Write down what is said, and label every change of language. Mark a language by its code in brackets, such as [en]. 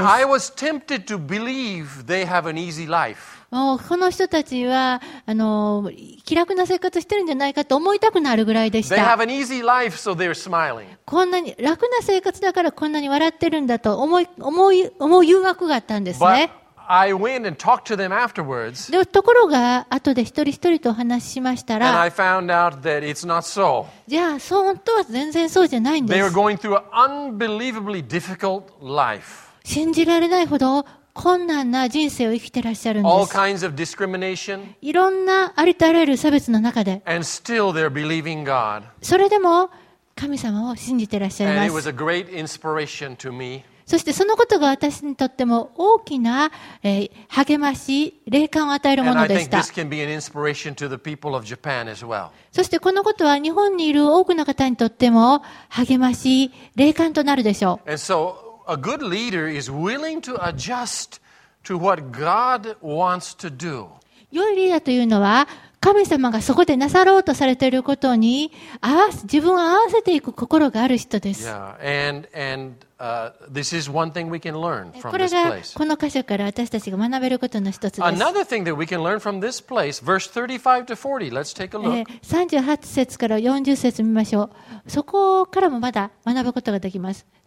[en] And I was tempted to believe they have an easy life. [ja] もうこの人たちは気楽な生活してるんじゃないかと思いたくなるぐらいでした。 [en] They have an easy life, so they're smiling. [ja] こんなに楽な生活だからこんなに笑ってるんだと思う誘惑があったんですね。 [en] But I went and talked to them afterwards. [ja] でところが後で一人一人と話しましたら、 [en] and I found out that it's not so. [ja] じゃあ本当は全然そうじゃないんです。 [en] They were going through an unbelievably difficult life. [ja] 信じられないほど困難な人生を生きてらっしゃるんです。 [en] All kinds of discrimination. [ja] いろんなありとあらゆる差別の中で、 [en] and still they're believing God. [ja] それでも神様を信じてらっしゃいます。 [en] And it was a great inspiration to me. [ja] そしてそのことが私にとっても大きな、励まし、霊感を与えるものでした。 [en] Well. [ja] そしてこのことは日本にいる多くの方にとっても励まし、霊感となるでしょう。 [en] And so, a good leader is willing to adjust to what God wants to do. [ja] 良いリーダーというのは神様がそこでなさろうとされていることに自分を合わせていく心がある人です。 [en] Yeah. And... this is one thing we can learn from this place. [ja] これがこの箇所から私たちが学べることの一つです。 [en] Another thing that we can learn from this place, verse 35 to 40. Let's take a look. [ja] 38節から40節見ましょう。そこからもまだ学ぶことができます。